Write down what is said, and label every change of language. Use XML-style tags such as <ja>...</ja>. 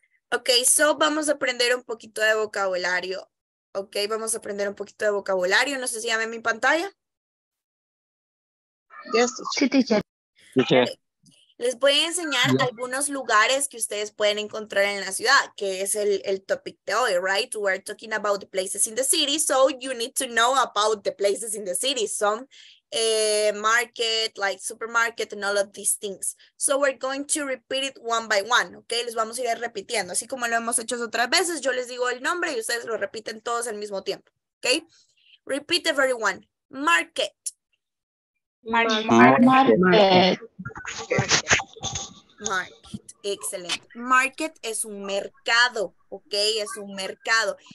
<es>Okay, so vamos a aprender un poquito de vocabulario. Okay, vamos a aprender un poquito de vocabulario. No sé si ya ven mi pantalla.</es> <en>Yes, teacher.</en> <es>Les voy a enseñar algunos lugares que ustedes pueden encontrar en la ciudad, que es el topic de hoy, right?</es> <en>We're talking about the places in the city, so you need to know about the places in the city. Some market, like supermarket and all of these things. So we're going to repeat it one by one, ¿ok?</en> <es>Les vamos a ir repitiendo. Así como lo hemos hecho otras veces, yo les digo el nombre y ustedes lo repiten todos al mismo tiempo, ¿ok?</es> <en>Repeat everyone. Market. Market.</en> <es>market. Excelente. Market es un mercado, ¿ok? Es un mercado.</es>